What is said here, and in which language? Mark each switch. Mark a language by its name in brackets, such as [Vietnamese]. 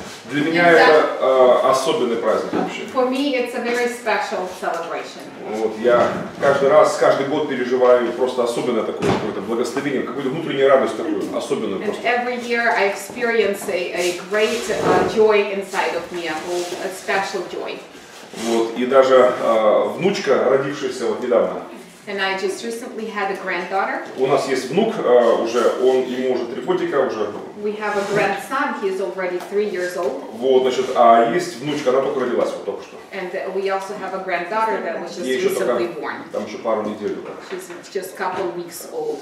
[Russian] Для меня это особенный праздник вообще. [English] For me it's a very special celebration. [Russian] Вот я каждый раз, каждый год переживаю просто особенное такое какое-то благословение, какую-то внутреннюю радость такую особенную просто. [English] And every year I experience a great joy inside of me, a special joy. [Russian] Вот и даже внучка, родившаяся вот недавно. [English] And I just recently had a granddaughter. [Russian] У нас есть внук уже, он ему уже 3 годика уже. [English] We have a grandson, he is already 3 years old. [Russian] Вот, значит, а есть внучка, она только родилась вот только что. [English] And we also have a granddaughter that was just recently [Russian] только, [English] born. [Russian] Там еще пару недель. Так. [English] She's just a couple weeks old.